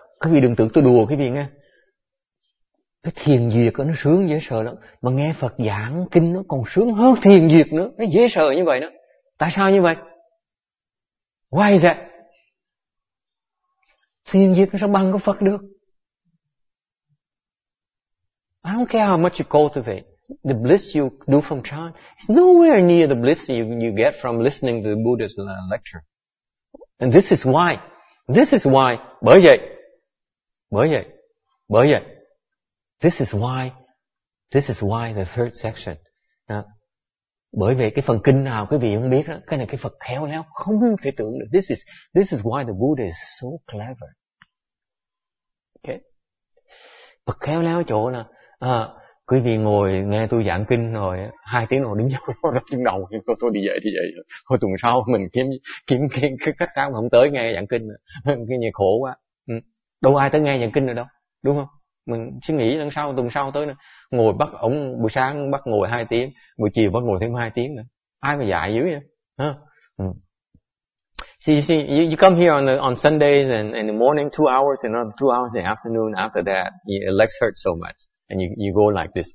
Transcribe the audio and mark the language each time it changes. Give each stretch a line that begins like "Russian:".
Vietnamese: Các vị đừng tưởng tôi đùa cái gì nghe. Cái thiền duyệt nó sướng dễ sợ lắm. Mà nghe Phật giảng kinh nó còn sướng hơn thiền duyệt nữa. Nó dễ sợ như vậy đó. Tại sao như vậy?
English: Why is that?
Vietnamese: Thiền duyệt nó sao bằng cái Phật được?
English: I don't care how much you cultivate. The bliss you do from chan is nowhere near the bliss you get from listening to the Buddha's lecture. And this is why. This is why.
Vietnamese: Bởi vậy.
English: This is why the third section.
Vietnamese: Bởi vì cái phần kinh nào quý vị không biết đó, cái này cái Phật khéo léo không thể tưởng được.
English: This is why the Buddha is so clever. Okay.
Vietnamese: Phật khéo léo chỗ là quý vị ngồi nghe tôi giảng kinh rồi hai tiếng rồi đứng dậy rắp chân đầu tôi đi dậy thì vậy. Thôi tuần sau mình kiếm cái cách khác không tới nghe giảng kinh nữa. Cái gì khổ quá. Đâu ai tới nghe giảng kinh rồi đâu, đúng không? Mình suy nghĩ lần sau, tuần sau tới nữa. Ngồi bắt ổng buổi sáng bắt ngồi 2 tiếng, buổi chiều bắt ngồi thêm 2 tiếng nữa. Ai mà dạy dữ vậy?
English: You come here on Sundays and in the morning 2 hours and another 2 hours in the afternoon after that. Your legs hurt so much and you go like this.